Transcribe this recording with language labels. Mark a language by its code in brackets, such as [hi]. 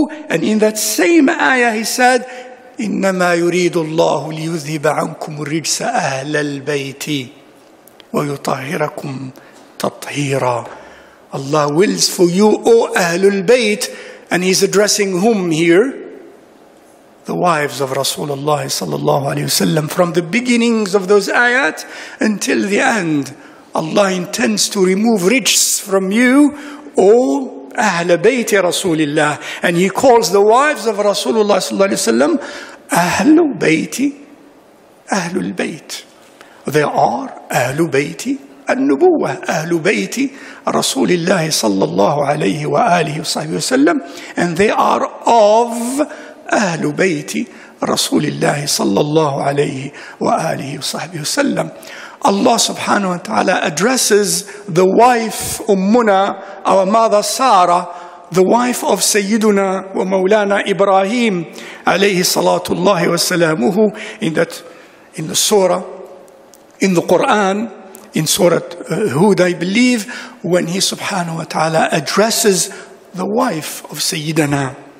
[en] And in that same ayah he said, [ar] إِنَّمَا يُرِيدُ اللَّهُ لِيُذْهِبَ عَنْكُمُ الرِّجْسَ أَهْلَ الْبَيْتِ وَيُطَهِرَكُمْ تَطْهِيرًا. [en] Allah wills for you, O Ahlul Bayt, and he's addressing whom here? The wives of Rasulullah sallallahu alayhi wa sallam. From the beginnings of those ayat until the end, Allah intends to remove rijs from you, all Ahl Bayt Rasulullah. And he calls the wives of Rasulullah sallallahu alayhi wa sallam Ahl Bayt, Ahlul Bayt. They are Ahl Bayt al-Nubuwah, Ahl Bayt Rasulullah sallallahu alayhi wa alihi wa sahbihi wa sallam. And they are of [ar] أهل بيت رسول الله صلى الله عليه وآله وصحبه وسلم. [en] Allah subhanahu wa ta'ala addresses the wife Ummuna, our mother Sarah, the wife of Sayyiduna wa Mawlana Ibrahim [ar] عليه الصلاة والله وسلامه, [en] in the surah, in the Quran, in surah Hud, I believe, when he subhanahu wa ta'ala addresses the wife of Sayyidina